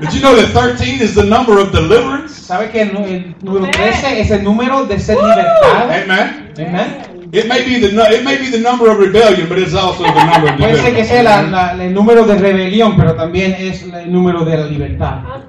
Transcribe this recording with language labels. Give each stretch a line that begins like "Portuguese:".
English: Did you know that 13 is the number of deliverance?
Spanish: ¿Sabe que el número 13 es el número de ser libertado?
English: Amen.
Spanish: Amen.
English: It may be the number of rebellion, but it's also the number of deliverance.
Spanish: Puede ser que sea el número de rebelión, pero también es el número de la libertad.